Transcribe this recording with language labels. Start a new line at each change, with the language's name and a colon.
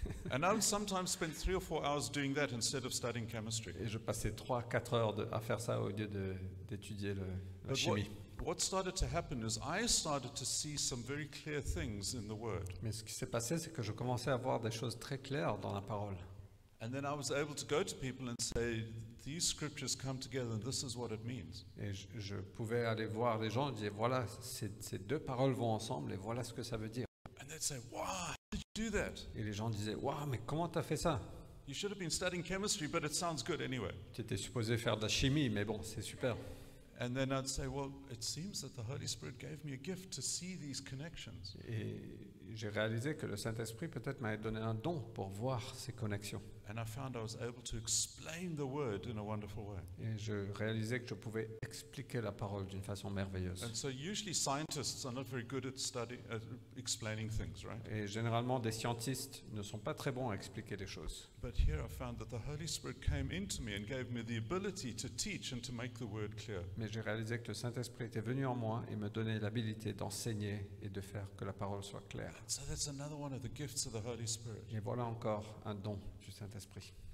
English: And I would sometimes spend 3 or 4 hours doing that instead of studying chemistry.
French: Et je passais 3-4 heures à faire ça au lieu d'étudier la chimie.
English: What started to happen is I started to see some very clear things in the word.
French: Mais ce qui s'est passé, c'est que je commençais à voir des choses très claires dans la parole.
English: And then I was able to go to people and say, these scriptures come together and this is what it means.
French: Et je pouvais aller voir les gens et dire, voilà, ces deux paroles vont ensemble et voilà ce que ça veut dire.
English: And they'd say, why? Do that.
French: Et les gens disaient, waouh, mais comment t'as fait ça?
English: You should have been studying chemistry, but it sounds good anyway.
French: Tu étais supposé faire de la chimie, mais bon, c'est super.
English: And then I'd say, well, it seems that the Holy Spirit gave me a gift to see these connections.
French: Et j'ai réalisé que le Saint-Esprit peut-être m'avait donné un don pour voir ces connexions.
English: And I found I was able to explain the word in a wonderful way.
French: Et je réalisais que je pouvais expliquer la parole d'une façon merveilleuse.
English: And so usually scientists are not very good at explaining things, right?
French: Et généralement des scientifiques ne sont pas très bons à expliquer des choses.
English: But here I found that the Holy Spirit came into me and gave me the ability to teach and to make the word clear.
French: Mais j'ai réalisé que le Saint-Esprit était venu en moi et me donnait l'habilité d'enseigner et de faire que la parole soit claire.
English: And so that's another one of the gifts of the Holy Spirit.
French: Et voilà encore un don du Saint-Esprit.